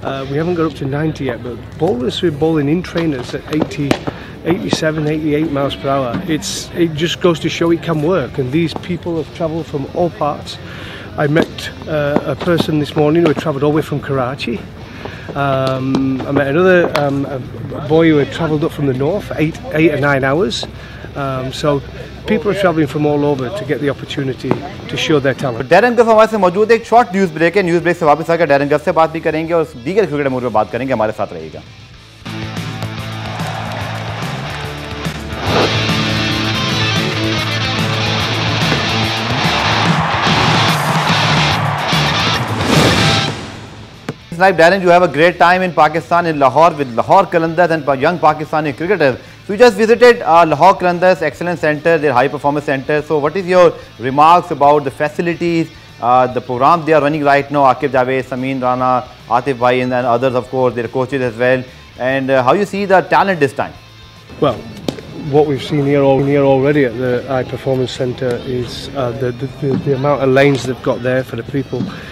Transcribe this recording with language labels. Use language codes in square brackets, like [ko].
[en] We haven't got up to 90 yet, but bowlers who are bowling in trainers at 80, 87, 88 miles per hour, it just goes to show it can work. And these people have travelled from all parts. I met a person this morning who had travelled all the way from Karachi. I met another boy who had travelled up from the north, eight or nine hours. [ur] موجود ایک short news break ہے, news break سے واپس آ کر Darren Gough سے بات بھی کریں گے اور دیگر کرکٹ امور پہ بات کریں گے, ہمارے ساتھ رہے گا. [en] Like Darren, you have a great time in Pakistan, in Lahore with Lahore Qalandars and young Pakistani cricketers. You just visited Lahore Kalanders Excellence Center, their high performance center. So what is your remarks about the facilities, the program they are running right now, Akif Javed, Sameen Rana, Atif Bhai and others, of course, their coaches as well. And how you see the talent this time? Well, what we've seen here already at the high performance center is the amount of lanes they've got there for the people.